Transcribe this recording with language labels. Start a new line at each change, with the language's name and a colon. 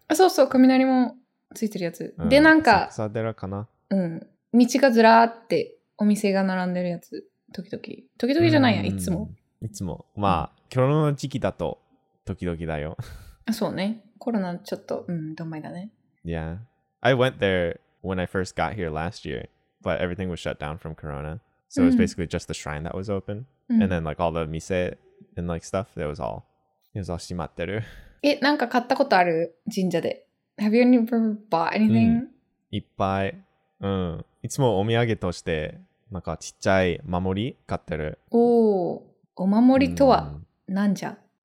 Japanese: あ、そうそう、雷門ついてるやつ。うん、で、なんか、浅草寺かな？うん。道がずらーってお店が並んでるやつ、時々。時々じゃないや、いつも。いつも。まあ、コロナの時期だと、時々だよ。あ、そうね。コロナちょっと、うん、どんまいだね。
English: Yeah. I went there when I first got here last year, but everything was shut down from Corona. So it was basically just the shrine that was open. And then like all the mise and like stuff, it was all
Japanese: 閉まってる。え、なんか買ったことある神社で。
English: Have you ever bought anything?
Japanese: いっぱい。うん。いつもお土産として、なんかちっちゃい守り買ってる。おお、お守りとは何じゃ？